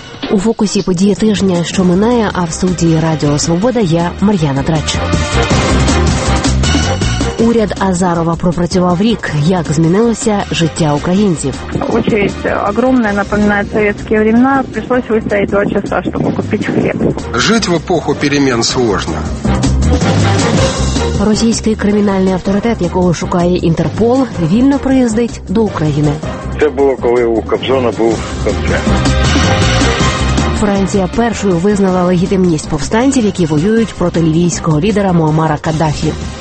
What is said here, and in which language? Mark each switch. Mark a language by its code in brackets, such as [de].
[uk] У фокусі події тижня, що минає, а в студії Радіо Свобода я, Мар'яна Драч. Уряд Азарова пропрацював рік. Як змінилося життя українців? [ru] Очередь огромная, напоминает советские времена. Пришлось выстоять 2 часа, чтобы купить хлеб. Жить в эпоху перемен сложно. [uk] Російський кримінальний авторитет, якого шукає Інтерпол, вільно приїздить до України. Це було, коли у Кобзона був Кобзон. Франція першою визнала легітимність повстанців, які воюють проти лівійського лідера Муамара Каддафі.